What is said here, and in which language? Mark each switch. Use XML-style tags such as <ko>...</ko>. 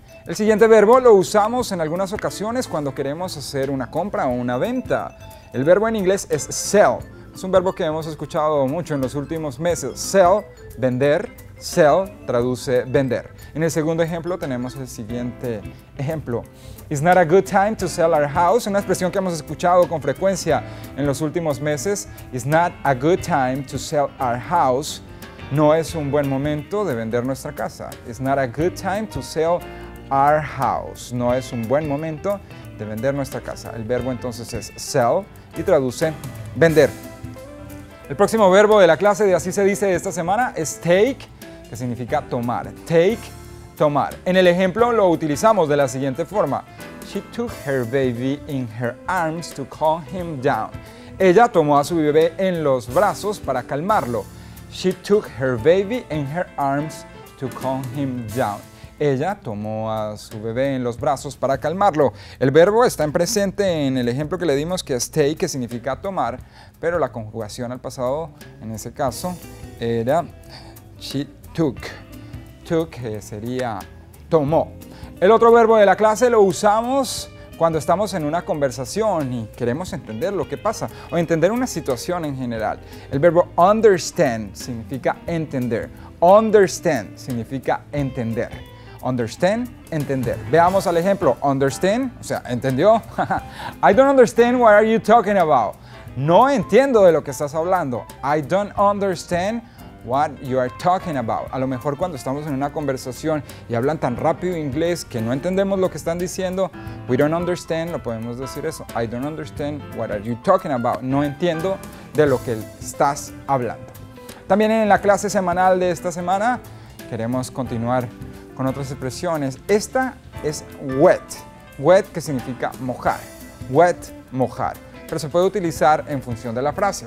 <es>El siguiente verbo lo usamos en algunas ocasiones cuando queremos hacer una compra o una venta. El verbo en inglés es sell. Es un verbo que hemos escuchado mucho en los últimos meses. Sell, vender. Sell traduce vender. En el segundo ejemplo tenemos el siguiente ejemplo.</es> <en>It's not a good time to sell our house.</en> <es>Una expresión que hemos escuchado con frecuencia en los últimos meses.</es> <en>It's not a good time to sell our house.</en> <es>No es un buen momento de vender nuestra casa.</es> <en>It's not a good time to sell our house.</en> <es>No es un buen momento de vender nuestra casa. El verbo entonces es sell y traduce vender. El próximo verbo de la clase de Así se dice de esta semana es take, que significa tomar. Take, tomar. En el ejemplo lo utilizamos de la siguiente forma.</es> <en>She took her baby in her arms to calm him down.</en> <es>Ella tomó a su bebé en los brazos para calmarlo.</es> <en>She took her baby in her arms to calm him down.</en> <es>Ella tomó a su bebé en los brazos para calmarlo. El verbo está en presente en el ejemplo que le dimos, que es take, que significa tomar, pero la conjugación al pasado, en ese caso, era</es> <en>she took.</en> <es>Took sería tomó. El otro verbo de la clase lo usamos cuando estamos en una conversación y queremos entender lo que pasa o entender una situación en general. El verbo understand significa entender. Understand significa entender. Understand, entender. Veamos al ejemplo. Understand, o sea, ¿entendió?</es> <en>I don't understand what are you talking about.</en> <es>No entiendo de lo que estás hablando.</es> <en>I don't understand what you are talking about.</en> <es>A lo mejor cuando estamos en una conversación y hablan tan rápido inglés que no entendemos lo que están diciendo,</es> <en>we don't understand,</en> <es>lo podemos decir eso.</es> <en>I don't understand what are you talking about.</en> <es>No entiendo de lo que estás hablando. También en la clase semanal de esta semana queremos continuar con otras expresiones. Esta es wet. Wet, que significa mojar. Wet, mojar. Pero se puede utilizar en función de la frase.</es>